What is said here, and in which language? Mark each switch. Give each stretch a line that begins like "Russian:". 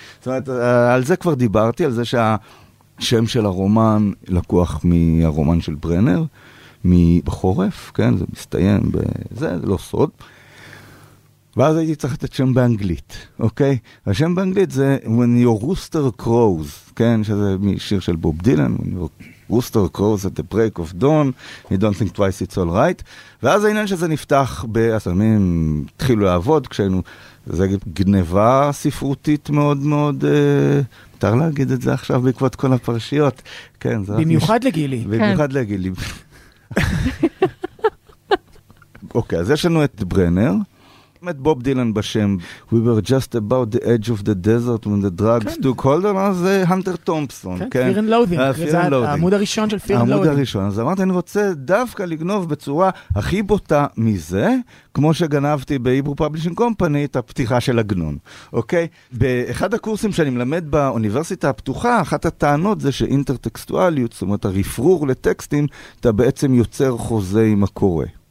Hebrew: זאת אומרת, על זה כבר דיברתי, על זה שהשם של הרומן לקוח מהרומן של ברנר, מבחורף, כן? זה מסתיים בזה, זה לא סוד. ואז הייתי צריך לתת שם באנגלית, אוקיי? השם באנגלית זה
English: When Your Rooster Crows,
Hebrew: כן? שזה משיר של בוב דילן,
English: When Your Rooster Crows at the Break of Dawn, I Don't Think Twice It's All Right.
Hebrew: ואז העניין שזה נפתח בעצמים, התחילו לעבוד כשהיינו, זה גניבה ספרותית מאוד מאוד, מותר להגיד את זה עכשיו בעקבות כל הפרשיות, כן? במיוחד לגילי. במיוחד לגילי. אוקיי, אז יש לנו את ברנר, את בוב דילן בשם,
English: We were just about the edge of the desert when the drugs took hold on us,
Hebrew: זה הנטר תומפסון. כן, Fear and Loathing. העמוד הראשון של Fear and Loathing. העמוד הראשון. אז אמרתי, אני רוצה דווקא לגנוב בצורה הכי בוטה מזה, כמו שגנבתי ב-Hebrew Publishing Company, את הפתיחה של הגנון. אוקיי? באחד הקורסים שאני מלמד באוניברסיטה הפתוחה, אחת הטענות זה שאינטרטקסטואליות, זאת אומרת, הרפרור לטקסטים, אתה בעצם יוצר חוזה עם הקורא.